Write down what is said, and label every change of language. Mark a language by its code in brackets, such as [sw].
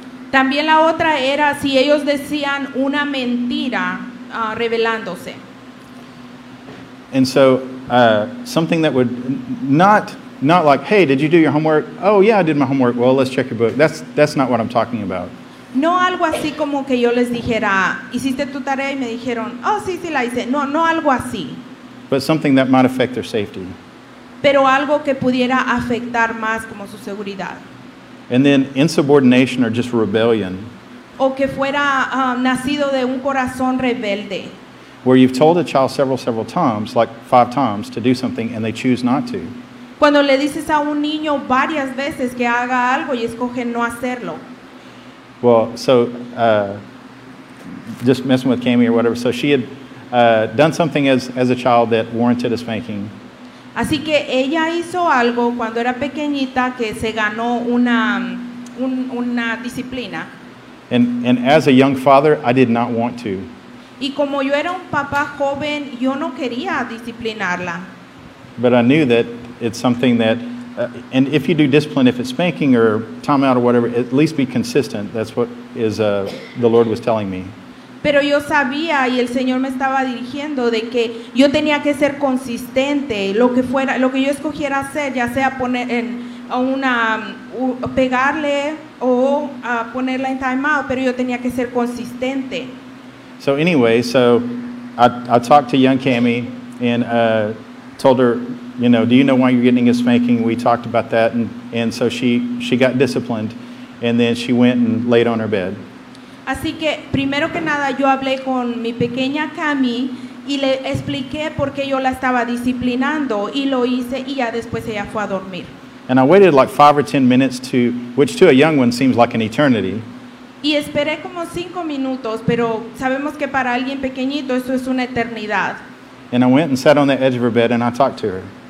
[es] También la otra era si ellos decían una mentira rebelándose. [en] And so something that would not like, hey, did you do your homework? Oh yeah, I did my homework. Well, let's check your book. That's not what I'm talking about. [es] No algo así como que yo les dijera, hiciste tu tarea y me dijeron, oh, sí, sí la hice. No algo así. [en] But something that might affect their safety. [es] Pero algo que pudiera afectar más como su seguridad. [en] And then insubordination or just rebellion. [es] O que fuera nacido de un corazón rebelde. [en] Where you've told a child several times, like five times, to do something and they choose not to. [es] Cuando le dices a un niño varias veces que haga algo y escoge no hacerlo. [en] Well, so just messing with Cammy or whatever. So she had done something as a child that warranted a spanking. [es] Así que ella hizo algo cuando era pequeñita que se ganó una disciplina. [en] And as a young father, I did not want to. [es] Y como yo era un papá joven, yo no quería disciplinarla. [en] But I knew that it's something that. And if you do discipline, if it's spanking or time out or whatever, at least be consistent. That's what is the Lord was telling me. [es] Pero yo sabía y el Señor me estaba dirigiendo de que yo tenía que ser consistente. Lo que fuera, lo que yo escogiera hacer, ya sea poner en una pegarle o ponerla en time out, pero yo tenía que ser consistente. [en] So anyway, so I talked to young Cammy and told her. You know, do you know why you're getting a spanking? We talked about that, and so she got disciplined, and then she went and laid on her bed. [es] Así que primero que nada, yo hablé con mi pequeña Cami, y le expliqué por qué yo la estaba disciplinando y lo hice y ya después ella fue a dormir. [en] And I waited like 5 or 10 minutes to, which to a young one seems like an eternity. [es] Y esperé como 5 minutos, pero sabemos que para alguien pequeñito eso es una eternidad. [en] And I went and sat on the edge of her bed and I talked to her.